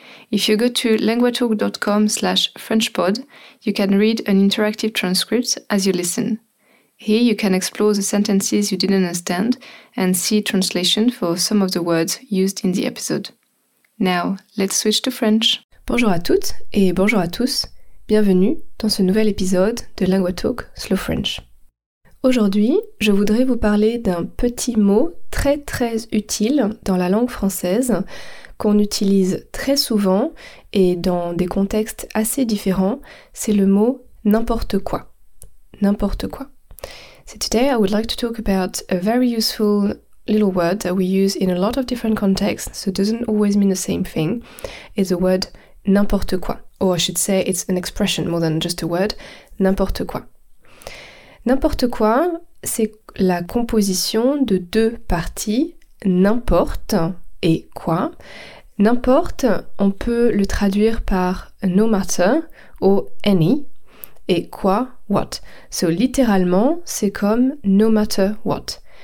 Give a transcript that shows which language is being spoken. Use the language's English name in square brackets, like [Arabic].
[English] If you go to languagetalk.com/frenchpod, you can read an interactive transcript as you listen. Here you can explore the sentences you didn't understand and see translation for some of the words used in the episode. Now, let's switch to French. [French] Bonjour à toutes et bonjour à tous. Bienvenue dans ce nouvel épisode de Langue Talk Slow French. Aujourd'hui, je voudrais vous parler d'un petit mot très très utile dans la langue française qu'on utilise très souvent et dans des contextes assez différents, c'est le mot n'importe quoi. N'importe quoi. [English] So today I would like to talk about a very useful little word that we use in a lot of different contexts, so it doesn't always mean the same thing, is the word n'importe quoi. Or I should say it's an expression more than just a word, n'importe quoi. [French] N'importe quoi, c'est la composition de deux parties, n'importe et quoi. N'importe, on peut le traduire par [English] no matter [French] ou any, et quoi, what. So littéralement, c'est comme [English] no matter what.